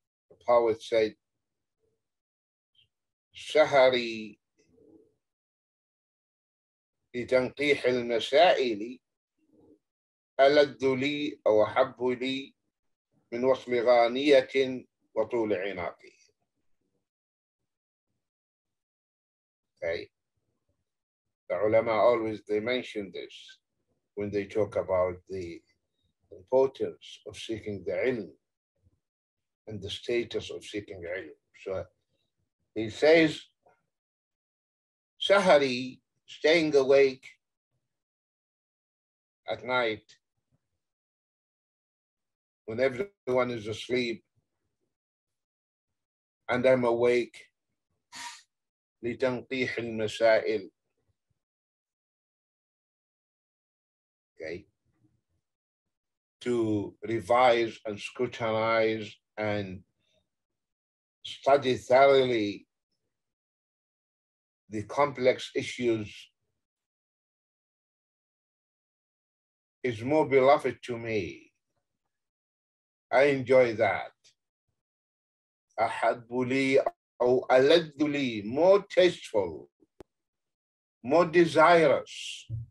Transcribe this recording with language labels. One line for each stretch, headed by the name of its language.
English: The poet said,
Arabic: "Sahari لتنقيح المسائل ألذ لي أو أحب لي من وصل غانية وطول عناقي."
English: Okay. The ulama always, they mention this when they talk about the importance of seeking the ilm and the status of seeking ilm. So he says, sahari, staying awake at night, when everyone is asleep and I'm awake,
Arabic: لتنقيح المسائل.
English: Okay. To revise and scrutinize and study thoroughly the complex issues is more beloved to me. I enjoy that.
Arabic: أحب لي أو ألد لي,
English: more tasteful, more desirous.